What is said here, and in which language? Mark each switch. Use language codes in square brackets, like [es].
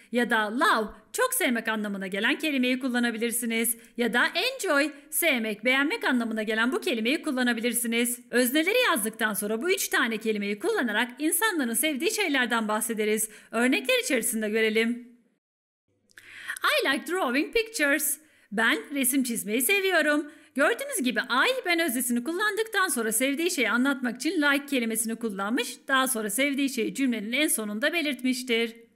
[tr] Ya da love, çok sevmek anlamına gelen kelimeyi kullanabilirsiniz. Ya da enjoy, sevmek, beğenmek anlamına gelen bu kelimeyi kullanabilirsiniz. Özneleri yazdıktan sonra bu 3 tane kelimeyi kullanarak insanların sevdiği şeylerden bahsederiz. Örnekler içerisinde görelim. [en] I like drawing pictures. [tr] Ben resim çizmeyi seviyorum. Gördüğünüz gibi I ben öznesini kullandıktan sonra sevdiği şeyi anlatmak için like kelimesini kullanmış, daha sonra sevdiği şeyi cümlenin en sonunda belirtmiştir.